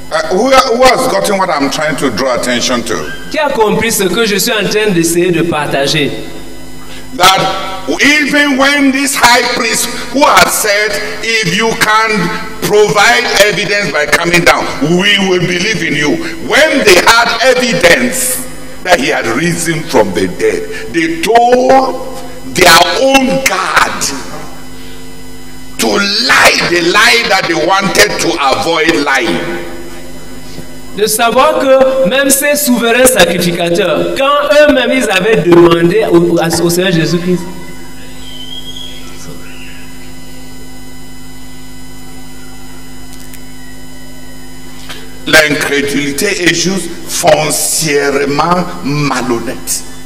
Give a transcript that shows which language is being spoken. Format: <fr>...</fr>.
<en>Who has gotten what I'm trying to draw attention to?</en> <fr>Qui a compris ce que je suis en train d'essayer de partager?</fr> <en>That even when this high priest who has said, if you can't provide evidence by coming down, we will believe in you. When they had evidence that he had risen from the dead, they told their own God to lie the lie that they wanted to avoid lying.</en> <fr>De savoir que même ces souverains sacrificateurs, quand eux-mêmes ils avaient demandé au Seigneur Jésus-Christ, l'incrédulité est juste foncièrement malhonnête.</fr>